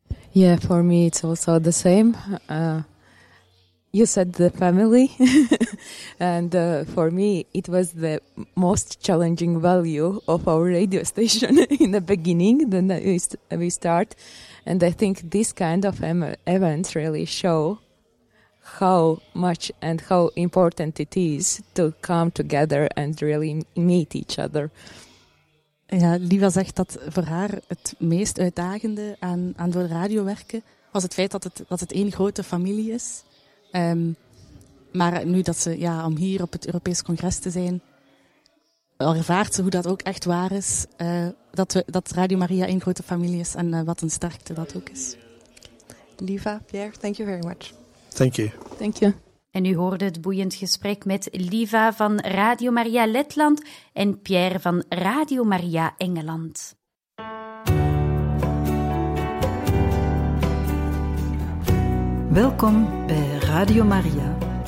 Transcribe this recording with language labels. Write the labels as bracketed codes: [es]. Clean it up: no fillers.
[en] Yeah, for me it's also the same. You said the family, and for me, it was the most challenging value of our radio station in the beginning, then we start. And I think this kind of event really show how much and how important it is to come together and really meet each other. [nl] Ja, Liva zegt dat voor haar het meest uitdagende aan voor de radio werken was het feit dat het één grote familie is. Maar nu dat ze, ja, om hier op het Europees Congres te zijn, ervaart ze hoe dat ook echt waar is, dat Radio Maria één grote familie is en wat een sterkte dat ook is. [en] Liva, Pierre, thank you very much. Thank you. Thank you. [nl] En u hoorde het boeiend gesprek met Liva van Radio Maria Letland en Pierre van Radio Maria Engeland. Welkom bij Radio Maria.